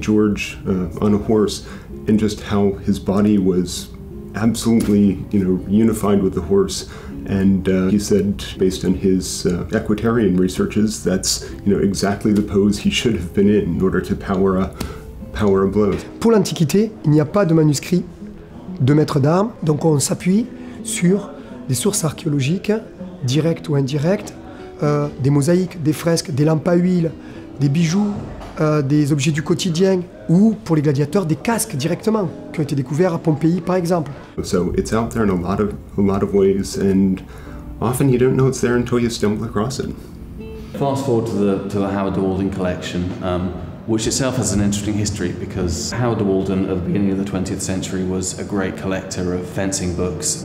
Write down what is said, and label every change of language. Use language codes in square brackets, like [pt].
[en] George on a horse and just how his body was absolutely, you know, unified with the horse. And he said, based on his equitarian researches, that's, you know, exactly the pose he should have been in order to power a blow. [fr] Pour l'Antiquité, il n'y a pas de manuscrit de maître d'armes, donc on s'appuie sur des sources archéologiques, directes ou indirectes, des mosaïques, des fresques, des lampes à huile, des bijoux, des objets du quotidien, ou pour les gladiateurs, des casques directement, qui ont été découverts à Pompéi, par exemple. [en] So it's out there in a lot of ways, and often you don't know it's there until you stumble across it. Fast forward to the Howard de Walden collection, which itself has an interesting history, because Howard de Walden at the beginning of the 20th century was a great collector of fencing books.